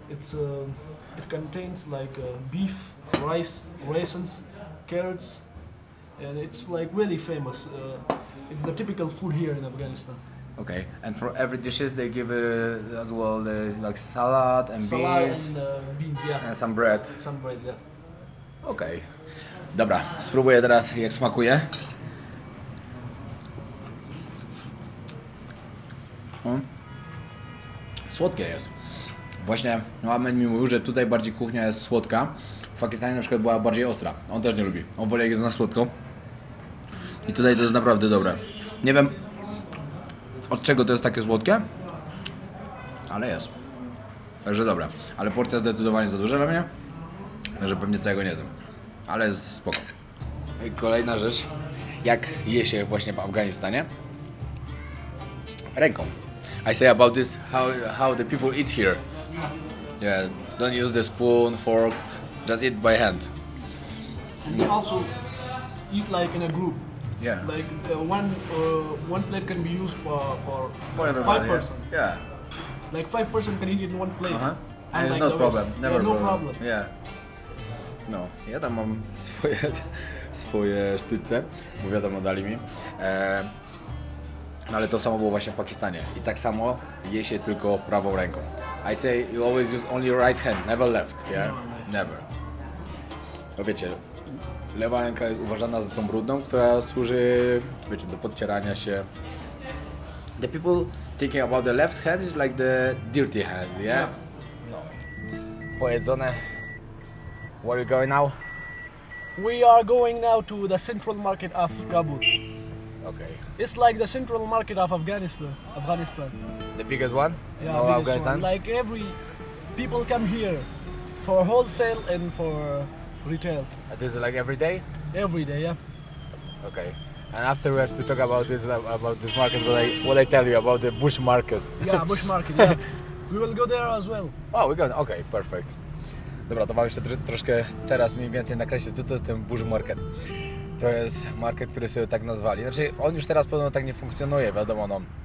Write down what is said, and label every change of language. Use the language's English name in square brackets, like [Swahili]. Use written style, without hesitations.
[English] It's it contains like beef, rice, raisins, carrots, and it's like really famous. It's the typical food here in Afghanistan. Okay, and for every dishes they give as well like salad and salad beans. Beans, yeah. And some bread. Some bread, yeah. Okay. [Polish] Dobra, spróbuję teraz jak smakuje. Słodkie jest. Właśnie Ahmed mi mówił, że tutaj bardziej kuchnia jest słodka. W Pakistanie na przykład była bardziej ostra. On też nie lubi. On woli jak jest na słodko. I tutaj to jest naprawdę dobre. Nie wiem od czego to jest takie słodkie, ale jest. Także dobra, ale porcja zdecydowanie za duża dla mnie, także pewnie tego nie zjem, ale jest spoko. I kolejna rzecz, jak je się właśnie w Afganistanie? Ręką. [English] I say about this, how the people eat here. Yeah, don't use the spoon, fork, just eat by hand. And they also eat like in a group. Yeah. Like the one plate can be used for everybody, five person. Yeah. Like 5 person can eat in one plate. Uh-huh. And it's like no problem. Rest. Never yeah, problem. No problem. Yeah. [Polish] No, ja tam mam swoje sztyce, bo wiadomo dali mi. No ale to samo było właśnie w Pakistanie. I tak samo je się tylko prawą ręką. [English] I say you always use only right hand, never left. Yeah. Never. [Polish] No wiecie. Lewa ręka jest uważana za tą brudną, która służy, wiecie, do podcierania się. [English] The people thinking about the left hand is like the dirty hand, yeah? No. Pojedzone. Where are you going now? We are going now to the central market of Kabul. Okay. It's like the central market of Afghanistan. The biggest one? Yeah, the biggest Afghanistan? One. Like every people come here for wholesale and for retail. This is like every day? Every day, yeah. Okay. And after we have to talk about this market, what I tell you about the bush market. Yeah, bush market, yeah. We will go there as well. Oh, we're going, okay, perfect. [Polish] Dobra, to mam jeszcze troszkę teraz mniej więcej nakreślić, co to jest ten [English] bush market. [Polish] To jest market, który sobie tak nazwali. Znaczy, on już teraz podobno tak nie funkcjonuje, wiadomo, no.